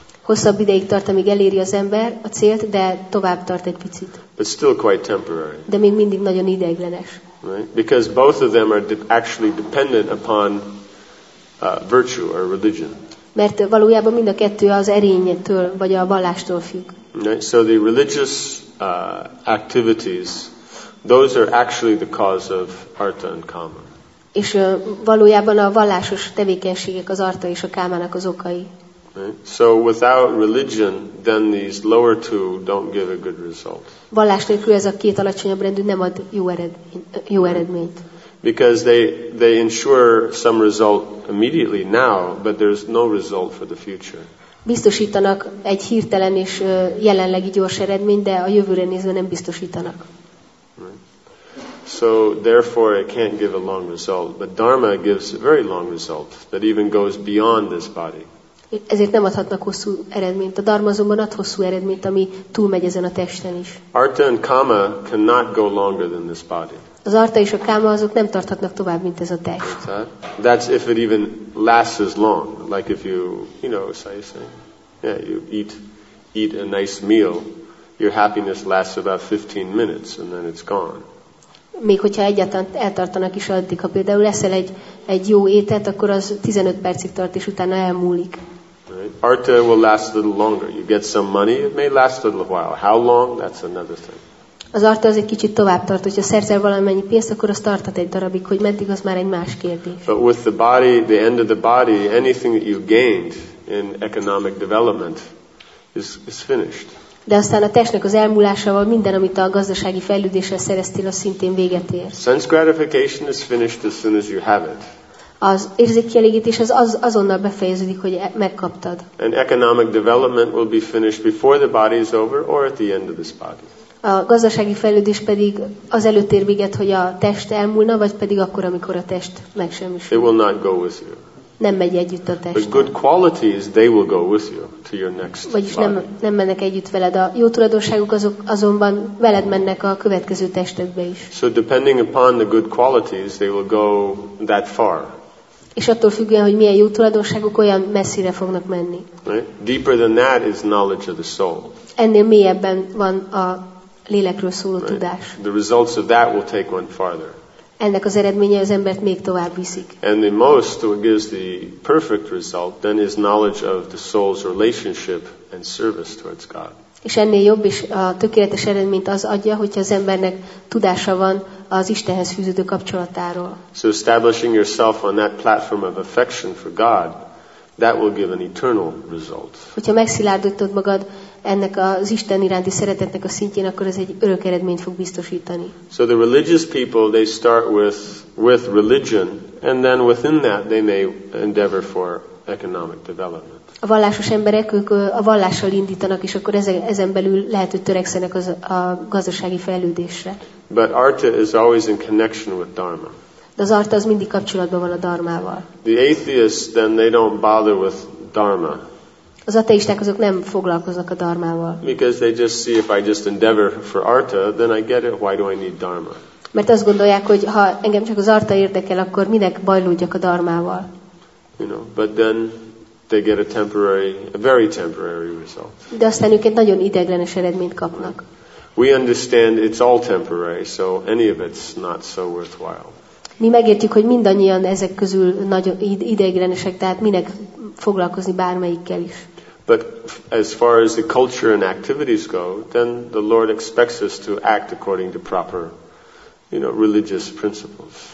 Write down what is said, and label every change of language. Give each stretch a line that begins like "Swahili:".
Hungarian: Hosszabb ideig tart, amíg eléri az ember a célt, de tovább tart egy picit.
English: But still quite temporary.
Hungarian: De még mindig nagyon ideiglenes.
English: Right. Because both of them are actually dependent upon virtue or religion.
Hungarian: Mert valójában mind a kettő az erényettől vagy a vallástól függ.
English: Right. So the religious activities, those are actually the cause of artha and kama.
Hungarian: És valójában a vallásos tevékenységek az artha és a kámának az okai.
English: Right. So without religion, then these lower two don't give a good result.
Hungarian: Vallás nélkül ez a két alacsonyabb rendű nem ad jó eredményt.
English: Because they ensure some result immediately now, but there's no result for the future.
Hungarian: Biztosítanak egy hirtelen és jelenlegi gyors eredményt, de a jövőre nézve nem biztosítanak.
English: So therefore it can't give a long result, but dharma gives a very long result that even goes beyond this body.
Hungarian: Ezért nem adhatnak hosszú eredményt. A dharma azonban ad hosszú eredményt, ami túlmegy ezen a testen is.
English: Artha and kama cannot go longer than this body.
Hungarian: Az artha és a káma azok nem tarthatnak tovább, mint ez a test.
English: That's if it even lasts as long. Like if you, you know, say, yeah, you eat a nice meal, your happiness lasts about 15 minutes, and then it's gone.
Hungarian: Még hogyha egyáltalán eltartanak is addig, ha például eszel egy jó ételt, akkor az 15 percig tart, és utána elmúlik.
English: Right. Artha will last a little longer. You get some money, it may last a little while. How long? That's another thing.
Hungarian: Az artha az egy kicsit tovább tart, hogyha szerzel valamennyi pénzt, akkor az tarthat egy darabig, hogy meddig, az már egy más kérdés.
English: But with the body, the end of the body, anything that you gained in economic development is finished.
Hungarian: De aztán a testnek az elmúlásával minden, amit a gazdasági fejlődéssel szereztél, az szintén véget ér.
English: Sense gratification is finished as soon as you have it.
Hungarian: Az érzékkielégítés azonnal befejeződik, hogy megkaptad.
English: And economic development will be finished before the body is over or at the end of this body.
Hungarian: A gazdasági fejlődés pedig az előtt ér véget, hogy a test elmúlna, vagy pedig akkor, amikor a test megsemmisül.
English: It will not go with you.
Hungarian: Nem megy együtt a test.
English: But good qualities, they will go with you to your next body.
Hungarian: Vagyis nem mennek együtt veled. A jó tulajdonságok azok azonban veled mennek a következő testekbe is.
English: So depending upon the good qualities, they will go that far.
Hungarian: És attól függően, hogy milyen jó tulajdonságok, olyan messzire fognak menni.
English: Right? Deeper than that is knowledge of the soul.
Hungarian: Ennél mélyebben van a lélekről szóló
English: right.
Hungarian: tudás.
English: The results of that will take one farther.
Hungarian: Ennek az eredménye az embert még tovább viszik.
English: And the most what gives the perfect result then is knowledge of the soul's relationship and service towards God.
Hungarian: És ennél jobb és a tökéletes eredményt az adja, hogyha az embernek tudása van az Istenhez fűződő kapcsolatáról.
English: So establishing yourself on that platform of affection for God, that will give an eternal result.
Hungarian: Hogyha megszilárdítod magad ennek az Isten iránti szeretetnek a szintjén, akkor ez egy örök eredményt fog biztosítani.
English: So the religious people, they start with religion, and then within that they may endeavor for economic development.
Hungarian: A vallásos emberek, ők a vallással indítanak, és akkor ezen belül lehet, hogy törekszenek a gazdasági fejlődésre.
English: But artha is always in connection with dharma.
Hungarian: De az artha az mindig kapcsolatban van a dharmával.
English: The atheists, then they don't bother with dharma.
Hungarian: Az ateisták azok nem foglalkoznak a dharmával.
English: Because they just see if I just endeavor for artha, then I get it. Why do I need dharma?
Hungarian: Mert azt gondolják, hogy ha engem csak az artha érdekel, akkor minek bajlódjak a dharmával.
English: You know, but then they get a very temporary result.
Hungarian: De aztán ők egy nagyon ideiglenes eredményt kapnak.
English: We understand it's all temporary, so any of it's not so worthwhile.
Hungarian: Mi megértjük, hogy mindannyian ezek közül nagyon ideiglenesek, tehát minek foglalkozni bármelyikkel is.
English: But as far as the culture and activities go, then the Lord expects us to act according to proper, you know, religious principles.